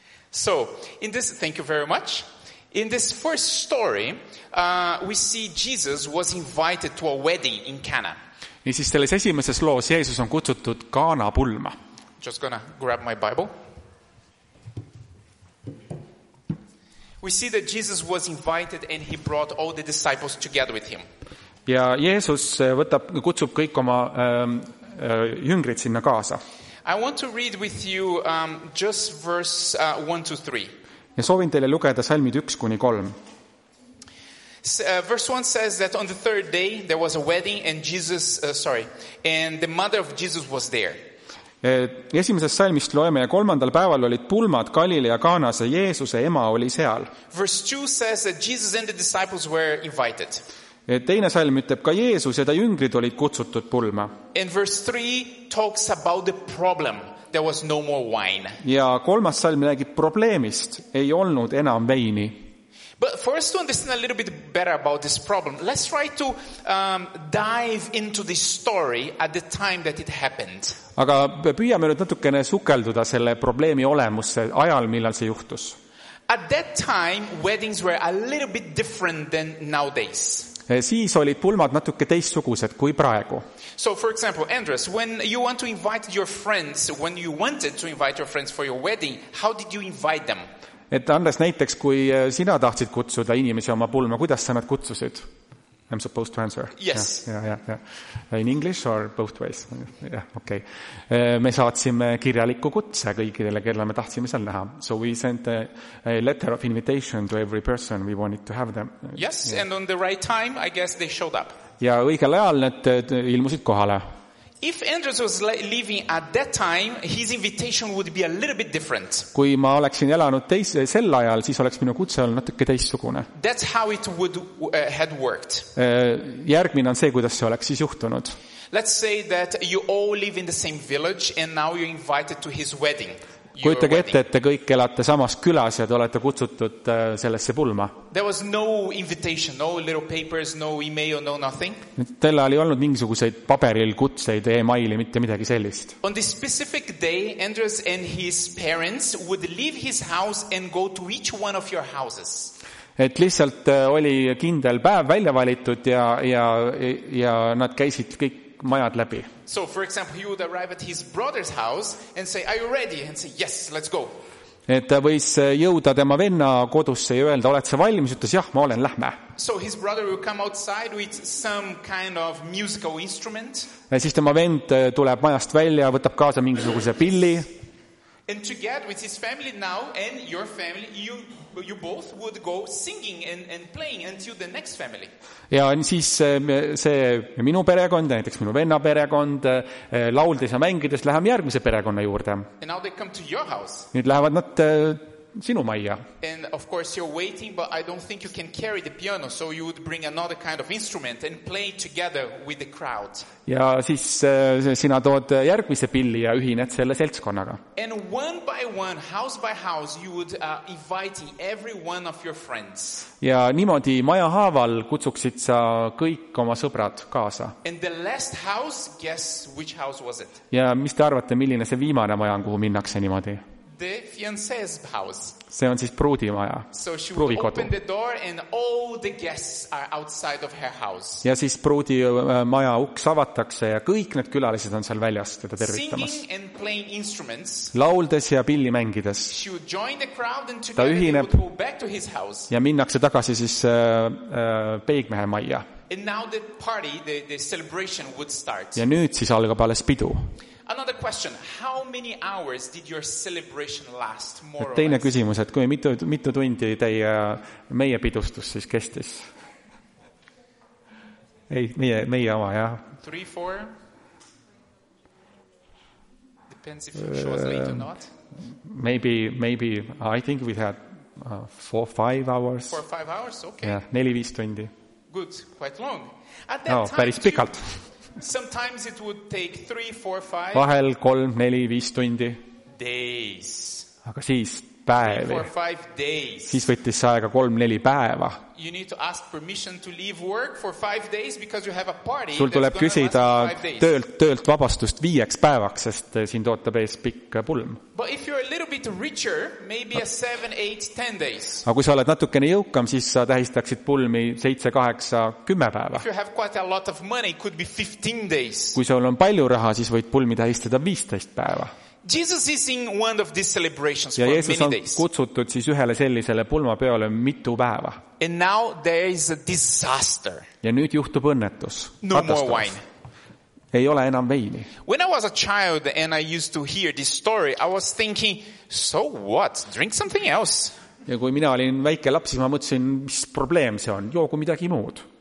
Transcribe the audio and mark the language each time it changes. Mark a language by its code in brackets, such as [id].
[en] So, in this, thank you very much. In this first story, we see Jesus was invited to a wedding in Cana. [et] Nii siis selles esimeses loos Jeesus on kutsutud Kaana pulma. [en] Just gonna grab my Bible. We see that Jesus was invited and he brought all the disciples together with him. [et] Ja Jeesus kutsub kõik oma jüngrid sinna kaasa. [en] I want to read with you just verse 1-3. [et] Ja soovin teile lukeda salmid 1-3. [en] Verse 1 says that on the third day there was a wedding and the mother of Jesus was there. [et] Esimesest salmist loeme ja kolmandal päeval olid pulmad Galilea Kaanas ja Jeesuse ema oli seal. [en] Verse 2 says that Jesus and the disciples were invited. [et] Teine salm ütleb ka Jeesus ja ta jüngrid olid kutsutud pulma. [en] And verse 3 talks about the problem. There was no more wine. [et] Ja kolmas salm räägib probleemist, ei olnud enam veini. [en] But for us to understand a little bit better about this problem, let's try to dive into this story at the time that it happened. [et] Aga püüame nüüd natukene sukelduda selle probleemi olemusse ajal, millal see juhtus. [en] At that time, weddings were a little bit different than nowadays. [et] Siis olid pulmad natuke teistsugused kui praegu. [en] So for example, Andres, when you want to invite your friends, when you wanted to invite your friends for your wedding, how did you invite them? [et] Et Andres, näiteks kui sina tahtsid kutsuda inimesi oma pulma, kuidas sa nad kutsusid? [en] I'm supposed to answer. Yes. In English or both ways? Yeah, okay. [et] Me saatsime kirjaliku kutse kõikidele, kelle me tahtsime seal näha. [en] So we sent a letter of invitation to every person we wanted to have them. Yes, yeah. And on the right time, I guess they showed up. [et] Ja õigel ajal need ilmusid kohale. [en] If Andres was living at that time, his invitation would be a little bit different. [et] Kui ma oleksin elanud sel ajal, siis oleks minu kutse olnud natuke teistsugune. [en] That's how it would had worked. [et] Järgmine on see, kuidas see oleks siis juhtunud. [en] Let's say that you all live in the same village and now you're invited to his wedding. [et] Kujutage ette, et te kõik elate samas külas ja te olete kutsutud sellesse pulma. [en] There was no invitation, no little papers, no email, no nothing. [et] Tella oli olnud mingisuguseid paperil kutseid, e-maili, mitte midagi sellist. [en] On this specific day, Andres and his parents would leave his house and go to each one of your houses. [et] Et lihtsalt oli kindel päev välja valitud ja nad käisid kõik majad läbi. [en] So for example, he would arrive at his brother's house and say, "Are you ready?" and say, "Yes, let's go." [et] Et ta võis jõuda tema venna kodusse ja öelda, "Oled sa valmis?" ütles, "Jah, ma olen, lähme." [en] So his brother would come outside with some kind of musical instrument. [et] Ja siis tema vend tuleb majast välja, võtab kaasa mingisuguse pilli. [en] And together with his family now and your family, you both would go singing and playing until the next family. [et] Ja siis see minu perekond, näiteks minu venna perekond, lauldes ja mängides läheb järgmise perekonna juurde. [en] And now they come to your house. [et] Nüüd lähevad nad sinu majja. [en] And of course you're waiting, but I don't think you can carry the piano, so you would bring another kind of instrument and play together with the crowd. [et] Ja siis sina tood järgmise pilli ja ühined selle seltskonnaga. [en] And one by one, house by house, you would invite every one of your friends. [et] Ja niimoodi maja haaval kutsuksid sa kõik oma sõbrad kaasa. [en] And the last house, guess which house was it? [et] Ja mis te arvate, milline see viimane maja on, kuhu minnakse niimoodi? [en] The fiance's house. [et] See on siis pruudi maja. [en] So she would open the door and all the guests are outside of her house. [et] Ja siis pruudi maja uks avatakse ja kõik need külalised on seal väljas teda tervitamas. [en] Singing and playing instruments. [et] Lauldes ja pilli mängides. [en] She would join the crowd and together they would go back to his house. [et] Ja minnakse tagasi siis peigmehe majja. [en] And now the party, the celebration would start. [et] Ja nüüd siis algab alles pidu. [en] Another question, how many hours did your celebration last more or less? [et] Teine küsimus, et kui mitu tundi teie meie pidustus siis kestis? Ei, meie oma, jah. [en] 3-4? Depends if it shows late or not. Maybe, I think we had 4-5 hours. 4-5 hours, okay. [et] Yeah, 4-5 tundi. [en] Good, quite long. At that [et] päris pikalt. [en] Sometimes it would take 3-4-5 [et] vahel 3-4-5 tundi [en] days. [et] Aga siis päevi. [en] 4-5 days. [et] Siis võttis aega 3-4 päeva. [en] You need to ask permission to leave work for 5 days because you have a party. [et] Sul tuleb küsida töölt vabastust 5 päevaks, sest siin ootab ees pikk pulm. [en] But if you're a little bit richer, maybe a 7-8-10 days. [et] Aga kui sa oled natukene jõukam, siis sa tähistaksid pulmi 7-8-10 päeva. [en] If you have quite a lot of money, it could be 15 days. [et] Kui sul on palju raha, siis võid pulmi tähistada 15 päeva. [en] Jesus is in one of these celebrations [et] ja [en] for Jesus many days. [et] Ja Jeesus on kutsutud siis ühele sellisele pulmapeole mitu päeva. [en] And now there is a disaster. [et] Ja nüüd juhtub õnnetus. [en] No more wine. [et] Ei ole enam veini. [en] When I was a child and I used to hear this story, I was thinking, so what? Drink something else. [et] Ja kui mina olin väike laps, siis ma mõtlesin, mis probleem see on. Joogu midagi muud.